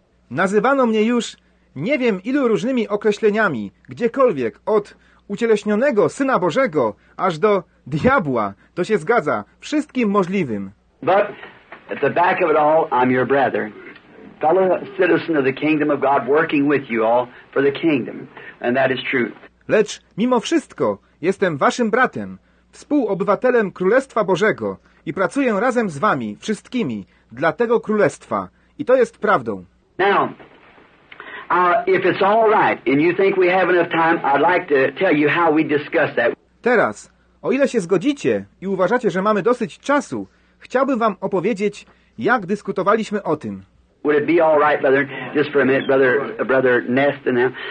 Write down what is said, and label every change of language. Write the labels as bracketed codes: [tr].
[pl] Nazywano mnie już nie wiem ilu różnymi określeniami, gdziekolwiek, od ucieleśnionego Syna Bożego, aż do diabła, to się zgadza, wszystkim możliwym. [en] But at the back of it all, I'm your brother, fellow citizen of the kingdom of God, working with you all for the kingdom, and that is true. [pl] Lecz mimo wszystko jestem waszym bratem, współobywatelem Królestwa Bożego i pracuję razem z wami, wszystkimi, dla tego Królestwa. I to jest prawdą. [en] Now, if it's all right and you think we have enough time, I'd like to tell you how we discussed that. [pl] Teraz, o ile się zgodzicie i uważacie, że mamy dosyć czasu, chciałbym wam opowiedzieć, jak dyskutowaliśmy o tym. [en] Would it be all right, brother? Just for a minute, brother Nest and them.